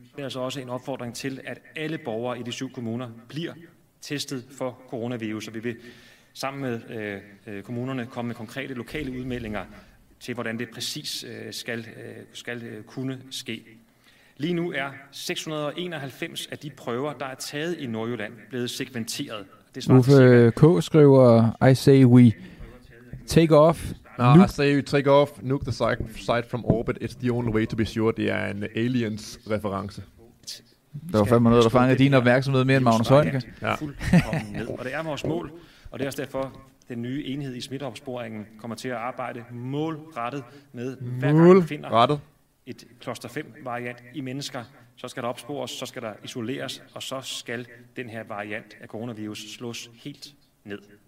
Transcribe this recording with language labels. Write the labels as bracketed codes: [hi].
[da] Det er altså også en opfordring til, at alle borgere i de 7 kommuner bliver testet for coronavirus, og vi vil sammen med kommunerne komme med konkrete lokale udmeldinger til, hvordan det præcis skal kunne ske. Lige nu er 691 af de prøver, der er taget i Nordjylland, blevet segmenteret. Uffe K. skriver, [en] I say we take off. No, I say we take off, nuke the site from orbit. It's the only way to be sure. [da] Det er en aliens-reference. Der var fandme noget, der fangede din opmærksomhed mere end Magnus Højnke. Ja. Og det er vores mål, og det er også derfor, den nye enhed i smitteopsporingen kommer til at arbejde målrettet med, hver gang vi finder et kluster 5-variant i mennesker, så skal der opspores, så skal der isoleres, og så skal den her variant af coronavirus slås helt ned.